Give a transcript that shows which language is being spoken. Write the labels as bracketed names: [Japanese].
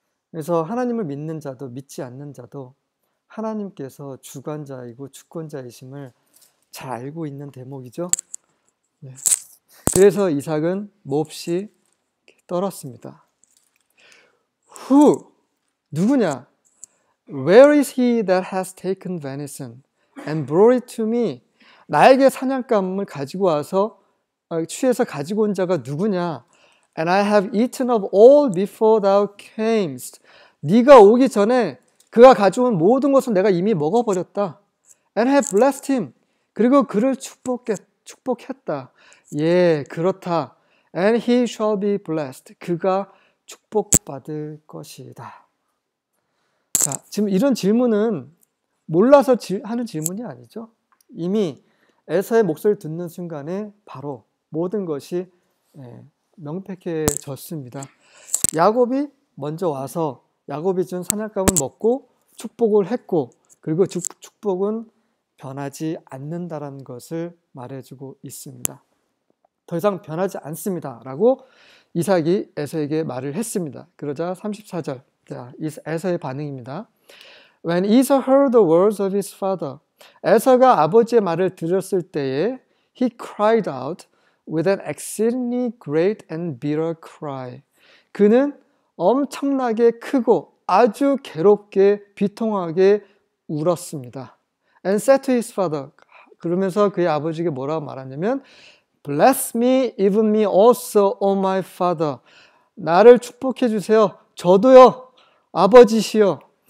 [Korean] 그래서 하나님을 믿는 자도 믿지 않는 자도 하나님께서 주관자이고 주권자이심을 잘 알고 있는 대목이죠. 네. 그래서 이삭은 몹시 떨었습니다. [English] Who? [Korean] 누구냐? [English] Where is he that has taken venison and brought it to me? [Korean] 나에게 사냥감을 가지고 와서 취해서 가지고 온 자가 누구냐? [English] And I have eaten of all before thou camest. [Korean] 네가 오기 전에 그가 가져온 모든 것은 내가 이미 먹어버렸다. [English] And have blessed him. [Korean] 그리고 그를 축복했다. 예, 그렇다. [English] And he shall be blessed. [Korean] 그가 축복받을 것이다. 자, 지금 이런 질문은 몰라서 하는 질문이 아니죠. 이미 에서의 목소리를 듣는 순간에 바로 모든 것이 명백해졌습니다. 야곱이 먼저 와서 야곱이 준 사냥감을 먹고 축복을 했고 그리고 축복은 변하지 않는다라는 것을 말해주고 있습니다. 더 이상 변하지 않습니다 라고 이삭이 에서에게 말을 했습니다. 그러자 34절 자, 에서의 반응입니다. [English] When Esau heard the words of his father, [Korean] 에서가 아버지의 말을 들었을 때에 [English] he cried out with an exceedingly great and bitter cry. [Korean] 그는 엄청나게 크고 아주 괴롭게 비통하게 울었습니다. [English] And said to his father, [Korean] 그러면서 그의 아버지에게 뭐라고 말하냐면 [English] Bless me, even me also, O my father. [Korean] 나를 축복해 주세요. 저도요, 아버지시여.